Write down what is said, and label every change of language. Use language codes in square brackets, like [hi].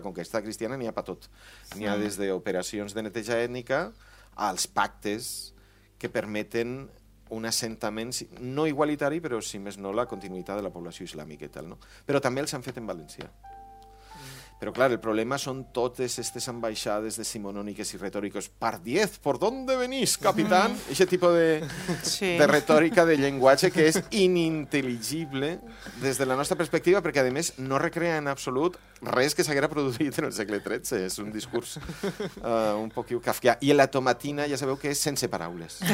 [ca] La conquesta cristiana n'hi ha per tot. Sí. N'hi ha des d'operacions de neteja ètnica als pactes que permeten un assentament no igualitari, però si més no la continuïtat de la població islàmica i tal. No? Però també els han fet en València. Però, clar, el problema són totes aquestes ambaixades decimonòniques i retòriques. Per 10, [es] ¿por dónde venís, capitán? [ca] Aquest tipus de retòrica, de llenguatge, que és inintel·ligible des de la nostra perspectiva, perquè, a més, no recrea en absolut res que s'haguera produït en el segle XIII. És un discurs un poc kafkià. I la tomatina, ja sabeu que és sense paraules.